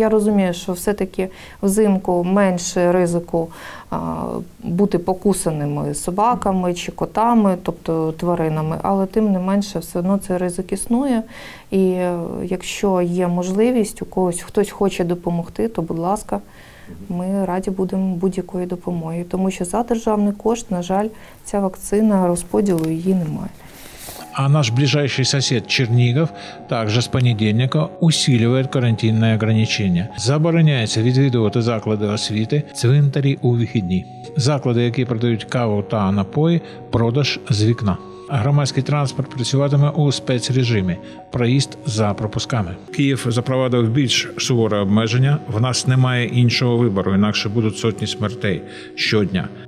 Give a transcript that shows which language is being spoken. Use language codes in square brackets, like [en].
[uk] Я розумію, що все-таки взимку менше ризику бути покусаними собаками чи котами, тобто тваринами, але тим не менше все одно цей ризик існує. І якщо є можливість у когось, хтось хоче допомогти, то, будь ласка, ми раді будемо будь-якої допомоги. Тому що за державний кошт, на жаль, ця вакцина, розподілу її немає. [ru] А наш ближайший сосед Чернигов также с понедельника усиливает карантинные ограничения. [uk] Забороняется відвідувати заклади освіти, цвинтарі у вихідні. Заклади, які продають каву та напої, продаж з вікна. Громадський транспорт працюватиме у спецрежимі. Проїзд за пропусками. Київ запровадив більш суворе обмеження. В нас немає іншого вибору, інакше будуть сотні смертей щодня.